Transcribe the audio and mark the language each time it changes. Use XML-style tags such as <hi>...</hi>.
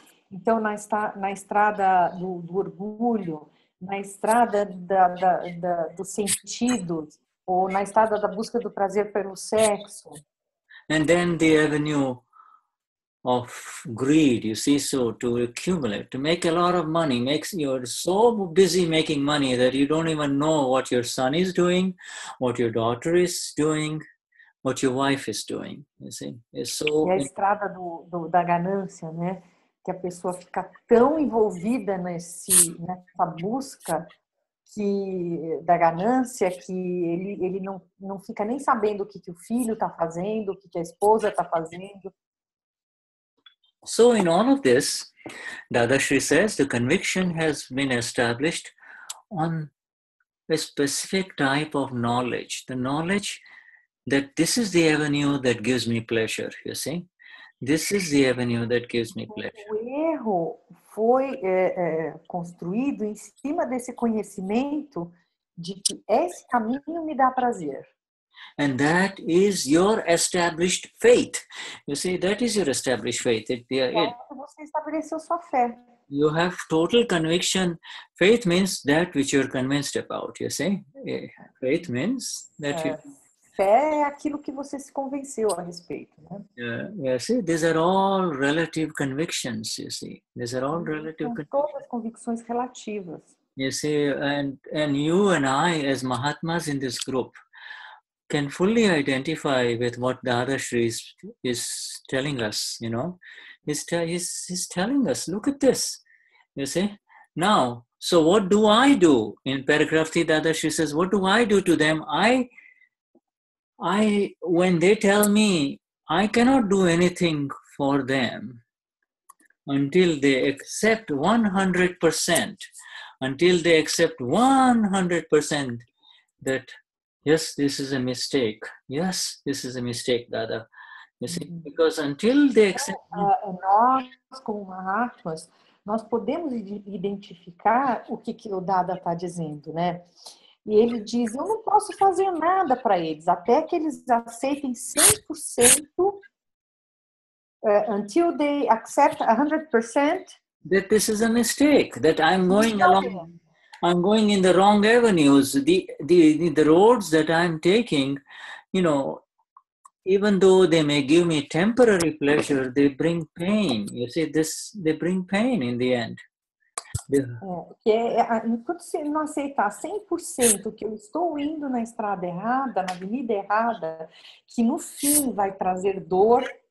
<pt>Então, na estrada do orgulho, na estrada dos sentidos, ou na estrada da busca do prazer pelo sexo.</pt> <en>And then the avenue of greed, you see, so to accumulate, to make a lot of money, you're so busy making money that you don't even know what your son is doing, what your daughter is doing, what your wife is doing, you see.</en> <pt>É a estrada da ganância, né? que a pessoa fica tão envolvida nessa busca que, da ganância, que ele não fica nem sabendo o que, que o filho está fazendo, o que, que a esposa está fazendo.</pt> <en>So in all of this, Dadashri says the conviction has been established on a specific type of knowledge, the knowledge that this is the avenue that gives me pleasure, you see? This is the avenue that gives me pleasure.</en> <pt>O erro foi construído em cima desse conhecimento de que esse caminho me dá prazer.</pt> <en>And that is your established faith. You see, that is your established faith.</en> <pt>Você estabeleceu sua fé.</pt> <en>You have total conviction. Faith means that which you're convinced about, you see? Faith means that you...</en> <pt>Fé é aquilo que você se convenceu a respeito, né?</pt> <en>Yeah, see, these are all relative convictions, you see. These are all relative</en> <pt>convictions. Todas as convicções relativas.</pt> <en>You see, and you and I, as Mahatmas in this group, can fully identify with what Dadashri is telling us, you know. He's telling us, look at this, you see. Now, so what do I do? In paragraph 3, Dadashri says, what do I do to them? I when they tell me, I cannot do anything for them until they accept 100%, until they accept 100% that, yes, this is a mistake. Yes, this is a mistake, Dada. You see, because until they accept...</en> <pt>Nós, como Mahatmas, nós podemos identificar o que o Dada está dizendo, né? E ele diz, eu não posso fazer nada para eles, até que eles aceitem 100%,</pt> <en>until they accept 100%. That this is a mistake, that I'm going along, I'm going in the wrong avenues, the roads that I'm taking, you know, even though they may give me temporary pleasure, they bring pain, you see, this, they bring pain in the end.</en> <pt>Enquanto você não aceitar 100% que eu estou indo na estrada errada, na avenida errada, que no fim vai trazer dor.</pt>